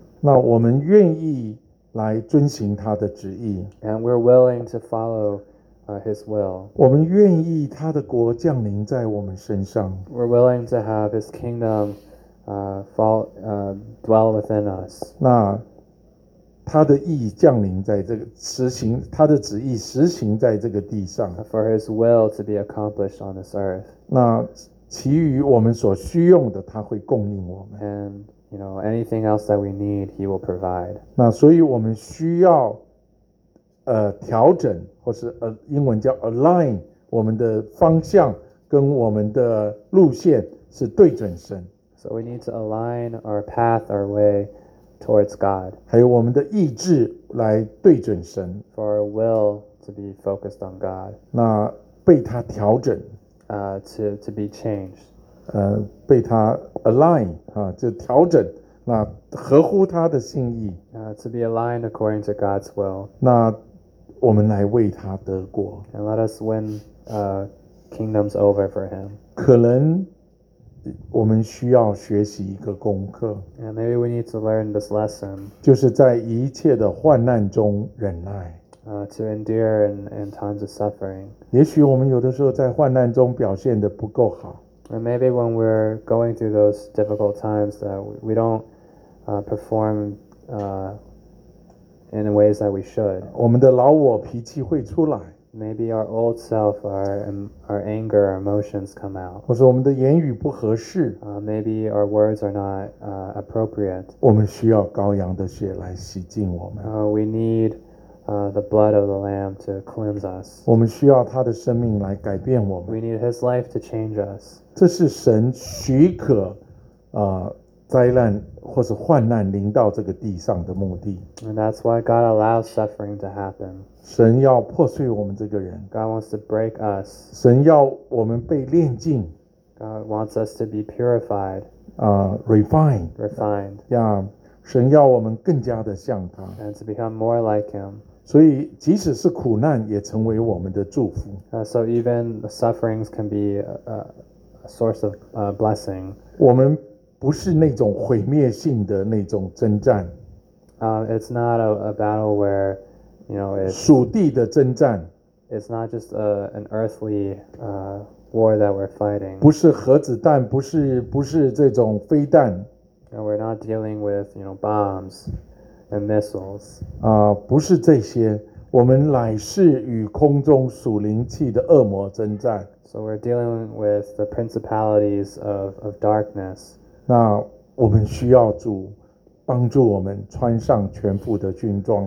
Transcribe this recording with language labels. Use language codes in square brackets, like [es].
[zh] 那我们愿意来遵行他的旨意。 [en] And we're willing to follow, his will. [zh] 我们愿意他的国降临在我们身上。 [en] We're willing to have his kingdom, dwell within us. [zh] 那他的意降临在这个实行，他的旨意实行在这个地上。 [en] For his will to be accomplished on this earth. [zh] 那其余我们所需用的，他会供应我们。 [en] And you know, anything else that we need, he will provide. [zh] 那所以我们需要调整，或是英文叫 align, 我们的方向跟我们的路线是对准神。 [en] So we need to align our path, our way towards God. [zh] 还有我们的意志来对准神。 [en] For our will to be focused on God. [zh] 那被他调整。 [en] To be changed. [zh] 被他 align 啊，就调整，那合乎他的心意。 [en] To be aligned according to God's will. [zh] 那我们来为他得国。 [en] And let us win, kingdoms over for him. [zh] 可能我们需要学习一个功课。 [en] And maybe we need to learn this lesson. [zh] 就是在一切的患难中忍耐。 [en] To endure in times of suffering. [zh] 也许我们有的时候在患难中表现得不够好。 [en] And maybe when we're going through those difficult times that we don't perform in ways that we should. [zh] 我们的老我脾气会出来。 [en] Maybe our old self, our anger, our emotions come out. [zh] 或是我们的言语不合适。 [en] Maybe our words are not appropriate. [zh] 我们需要羔羊的血来洗净我们。 [en] We need the blood of the Lamb to cleanse us. [zh] 我们需要他的生命来改变我们。 [en] We need his life to change us. [zh] 这是神许可灾难或是患难临到这个地上的目的。 [en] And that's why God allows suffering to happen. [zh] 神要破碎我们这个人。 [en] God wants to break us. [zh] 神要我们被炼净。 [en] God wants us to be purified. Refined. Refined. [zh] Yeah, 神要我们更加的像他。 [en] And to become more like him. [zh] 所以即使是苦难也成为我们的祝福。 [en] So even sufferings can be a source of blessing. [zh] 我们不是那种毁灭性的那种征战。 [en] It's not a battle where, you know, it's [zh] 属地的征战。 [en] It's not just an earthly war that we're fighting. [zh] 不是核子弹，不是这种飞弹。 [en] And we're not dealing with, you know, bombs and missiles. [zh] 不是这些，我们乃是与空中属灵气的恶魔征战。 [en] So we're dealing with the principalities of darkness. [zh] 那我们需要主帮助我们穿上全副的军装。